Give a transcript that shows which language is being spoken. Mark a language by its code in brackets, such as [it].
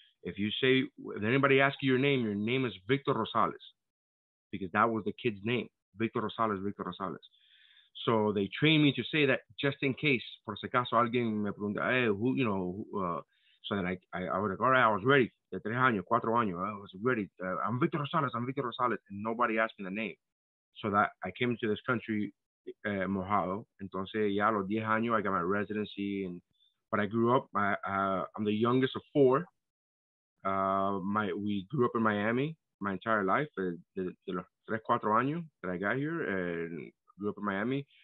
[en] If anybody asks you your name is Victor Rosales, because that was the kid's name, Victor Rosales. So they trained me to say that just in case, [es] por si acaso alguien me pregunta, [en] hey, who, you know, so then I was like, all right, I was ready. [es] De tres años, cuatro años, [en] I was ready. I'm Victor Rosales. And nobody asked me the name. So that I came to this country, mojado. [es] Entonces, ya a los 10 años, [en] I got my residency. But I grew up, I'm the youngest of four. We grew up in Miami my entire life. [es] De los tres, cuatro años [en] that I got here, and grew up in Miami.